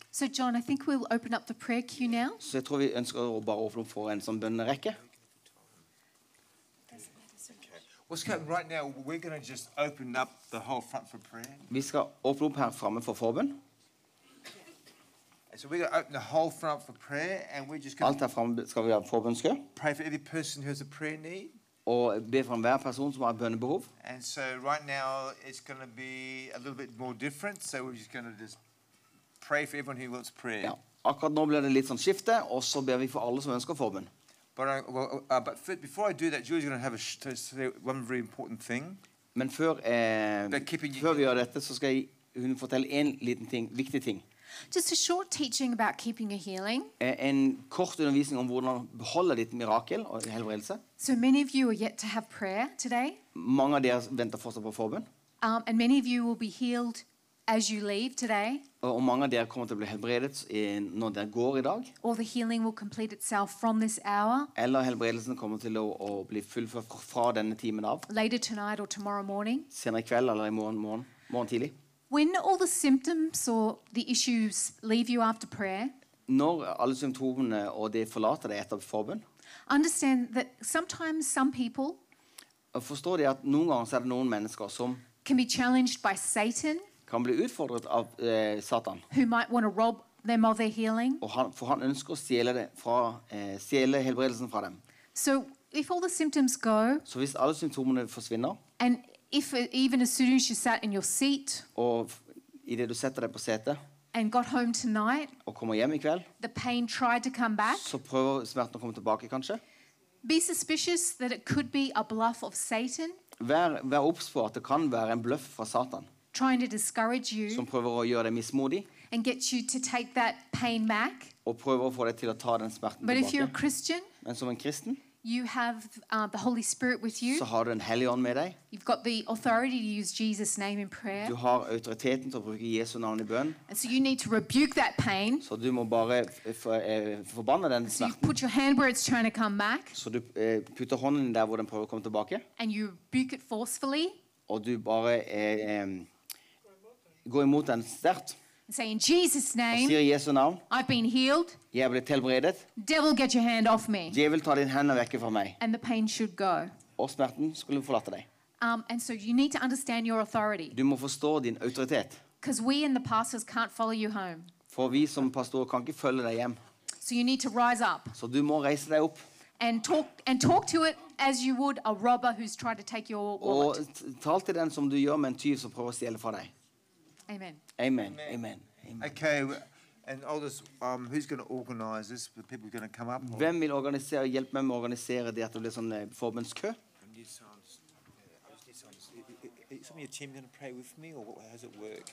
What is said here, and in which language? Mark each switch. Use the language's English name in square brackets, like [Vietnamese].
[English] So John, I think we'll open up the prayer queue now. [Norwegian] Så jeg tror vi ønsker å bare åpne opp for en sånn bønnerekke. [English] What's going on right now? We're going to just open up the whole front for prayer. [Norwegian] Vi skal åpne opp her fremme for forbønn. [English] So we're going to open the whole front for prayer, and we're just going [Norwegian] alt her fremme skal vi ha forbønnskø. [English] Pray for every person who has a prayer need. [Norwegian] Og be for hver person som har bønnebehov. [English] And so right now it's going to be a little bit more different, so we're just going to just pray for everyone who wants prayer. [Norwegian] Ja, akkurat nå blir det litt sånn skifte, og så ber vi for alle som ønsker forbønn. [English] But before I do that, Julie's going to have to say one very important thing. [Norwegian] Men før før vi gjør dette, så skal hun fortelle en liten ting, viktig ting. [English] Just a short teaching about keeping a healing. [Norwegian] En kort undervisning om hvordan beholde ditt mirakel og helbredelse. [English] So many of you are yet to have prayer today. [Norwegian] Mange av dere venter fortsatt på forbønn. [English] And many of you will be healed as you leave today. [Norwegian] Og mange av dere kommer til å bli helbredet når dere går I dag. [English] Or the healing will complete itself from this hour. [Norwegian] Eller helbredelsen kommer til å bli fullført fra denne timen av. [English] Later tonight or tomorrow morning. [Norwegian] Senere I kveld eller I morgen tidlig. [English] When all the symptoms or the issues leave you after prayer, [Norwegian] når alle symptomene og det forlater deg etter forbønn, [English] understand that sometimes some people, [Norwegian] forstår det at noen ganger så det noen mennesker som [English] can be challenged by Satan, [Norwegian] kan bli utfordret av Satan, [English] who might want to rob them of their healing, [Norwegian] og han ønsker å stjele det fra stjele helbredelsen fra dem. [English] So if all the symptoms go, [Norwegian] så hvis alle symptomene forsvinner, [English] and if even as soon as you sat in your seat, [Norwegian] or I det du setter deg på setet, [English] and got home tonight, [Norwegian] og kommer hjem I kveld, [English] the pain tried to come back. [Norwegian] Så prøver smerten å komme tilbake, kanskje. [English] Be suspicious that it could be a bluff of Satan. [Norwegian] Vær obs på at det kan være en bluff fra Satan. [English] Trying to discourage you. [Norwegian] Som prøver å gjøre deg mismodig. [English] And get you to take that pain back. [Norwegian] Og prøver å få deg til å ta den smerten tilbake. [English] But if you're a Christian, [Norwegian] men som en kristen. [English] You have the Holy Spirit with you. [Norwegian] Så har du en hellig ånd med deg. [English] You've got the authority to use Jesus' name in prayer. [Norwegian] Du har autoriteten til å bruke Jesu navn I bønn. [English] And so you need to rebuke that pain. [Norwegian] Så du må bare forbanne den smerten. [English] So you put your hand where it's trying to come back. [Norwegian] Så du putter hånden der hvor den prøver å komme tilbake. [English] And you rebuke it forcefully. [Norwegian] Og du bare går imot den sterkt. [English] Say in Jesus' name. [Norwegian] Og sier I Jesu navn, [English] I've been healed. [Norwegian] Jeg ble helbredet. [English] Devil, get your hand off me. [Norwegian] Djevel, ta din hand vekk fra meg. [English] And the pain should go. [Norwegian] Og smerten skulle forlate deg. [English] And so you need to understand your authority. [Norwegian] Du må forstå din autoritet. [English] Because we and the pastors can't follow you home. [Norwegian] For vi som pastorer kan ikke følge deg hjem. [English] So you need to rise up. [Norwegian] Så du må reise deg opp. [English] And talk to it as you would a robber who's trying to take your wallet. [Norwegian] Og tal til den som du gjør med en tyv som prøver å stjele fra deg. [English] Amen. Okay, and all this, who's going to organize this? The people are going to come up. Or? [Norwegian] Hvem vil organisere, hjelp meg med å organisere det at det blir sånn forbønnskø? [English] Is some of your team going to pray with me, or how does it work?